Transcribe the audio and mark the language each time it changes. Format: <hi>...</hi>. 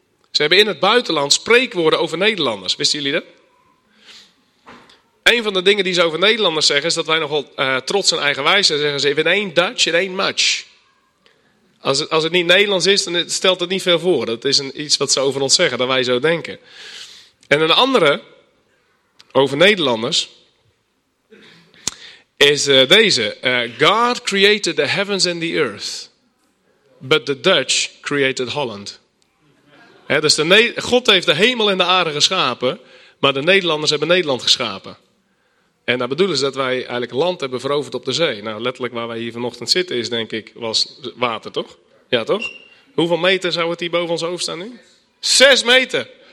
<nl>Ze hebben in het buitenland spreekwoorden over Nederlanders. Wisten jullie dat? Een van de dingen die ze over Nederlanders zeggen is dat wij nogal trots en eigenwijs zijn. Zeggen ze, in één Dutch, in één match. Als het niet Nederlands is, dan stelt het niet veel voor. Dat is iets wat ze over ons zeggen, dat wij zo denken. En een andere, over Nederlanders, is deze.</nl> <en>God created the heavens and the earth, but the Dutch created Holland.</en> <nl>God heeft de hemel en de aarde geschapen, maar de Nederlanders hebben Nederland geschapen. En dat bedoelen ze dat wij eigenlijk land hebben veroverd op de zee. Nou, letterlijk waar wij hier vanochtend zitten is, denk ik, was water, toch? Ja, toch? Hoeveel meter zou het hier boven ons hoofd staan nu? 6 meter!</nl>